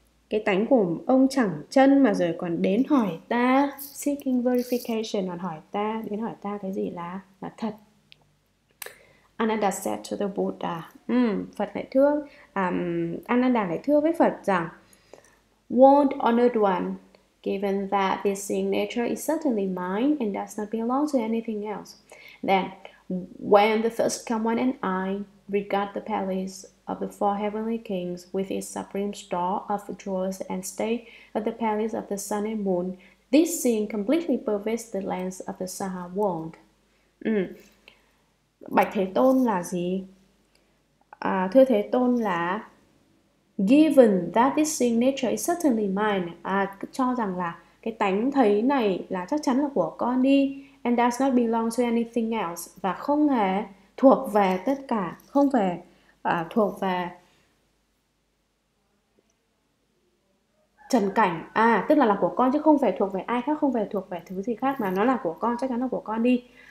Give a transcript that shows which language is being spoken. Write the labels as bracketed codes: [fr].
[vi] Cái tánh của ông chẳng chân, mà rồi còn đến hỏi ta, [en] seeking verification, [vi] còn hỏi ta, đến hỏi ta cái gì là thật. [en] Ananda said to the Buddha, [vi] Phật lại thưa, Ananda lại thưa với Phật rằng, [en] "Won't honored one, given that this seeing nature is certainly mine and does not belong to anything else, then when the first come one and I regard the palace of the four heavenly kings with its supreme store of jewels and stay at the palace of the sun and moon, this seeing completely pervades the lands of the Saha world." [vi] Bạch Thế Tôn là gì? Thưa Thế Tôn là [en] given that this seeing nature is certainly mine, [vi] cho rằng là cái tánh thấy này là chắc chắn là của con đi, [en] and does not belong to anything else, [vi] và không hề thuộc về tất cả, không về thuộc về trần cảnh, tức là của con chứ không phải thuộc về ai khác, không phải thuộc về thứ gì khác, mà nó là của con, chắc chắn là của con đi.